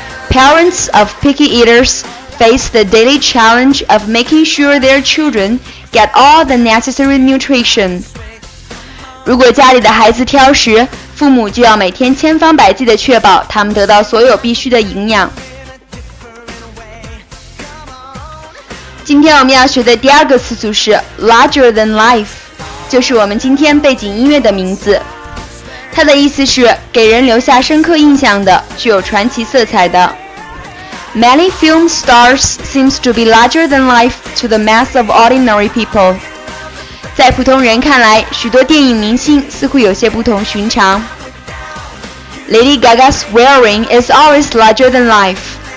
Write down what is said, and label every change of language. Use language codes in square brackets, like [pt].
[en] Parents of picky eaters face the daily challenge of making sure their children. Get all the necessary nutrition. [zh] 如果家里的孩子挑食，父母就要每天千方百计地确保他们得到所有必需的营养。今天我们要学的第二个词组是 larger than life， 就是我们今天背景音乐的名字。它的意思是给人留下深刻印象的，具有传奇色彩的。 [en] Many film stars seems to be larger than life to the mass of ordinary people. [zh] 在普通人看来，许多电影明星似乎有些不同寻常。 [en] Lady Gaga's wearing is always larger than life.